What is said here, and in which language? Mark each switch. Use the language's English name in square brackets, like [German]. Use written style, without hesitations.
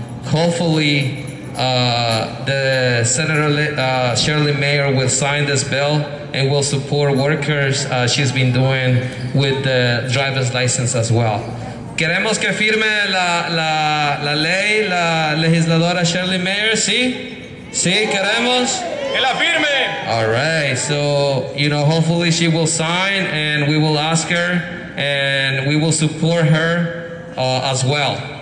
[English] Hopefully, the Senator Shirley Mayer will sign this bill and will support workers she's been doing with the driver's license as well. [Spanish] Queremos que firme la ley, la legisladora Shirley Mayer, ¿sí? ¿Sí, queremos? ¡Que la firme! [English] All right, so, you know, hopefully she will sign and we will ask her and we will support her as well.